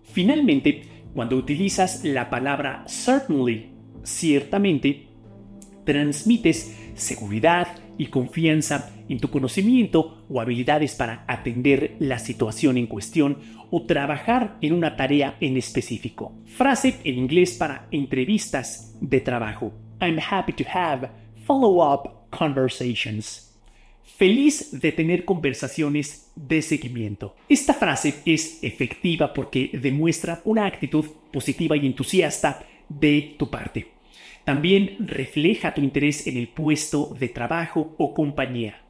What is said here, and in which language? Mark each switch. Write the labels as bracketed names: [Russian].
[Spanish] Finalmente, cuando utilizas la palabra certainly, ciertamente, transmites seguridad y confianza en tu conocimiento o habilidades para atender la situación en cuestión o trabajar en una tarea en específico. Frase en inglés para entrevistas de trabajo. [English] I'm happy to have follow-up conversations. [Spanish] Feliz de tener conversaciones de seguimiento. Esta frase es efectiva porque demuestra una actitud positiva y entusiasta de tu parte. También refleja tu interés en el puesto de trabajo o compañía.